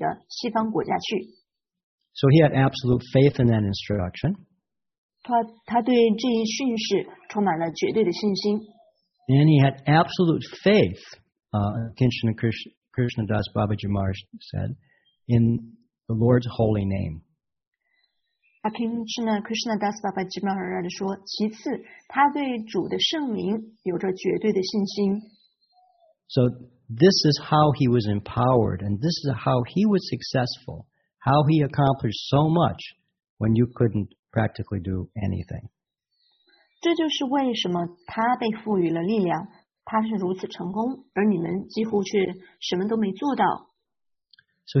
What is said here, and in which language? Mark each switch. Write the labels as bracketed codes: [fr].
[en] So he had absolute faith in that instruction. [zh] 他对这一训示充满了绝对的信心。 [en] And he had absolute faith, Akinchana Krishna Das Babaji Maharaj said, in the Lord's holy name. [zh] Akinchana Krishna Das Babaji Maharaj 说,其次,他对主的圣名有着绝对的信心。 [en] So this is how he was empowered, and this is how he was successful, how he accomplished so much when you couldn't practically do anything. [zh] 这就是为什么他被赋予了力量,他是如此成功,而你们几乎却什么都没做到。 [en] So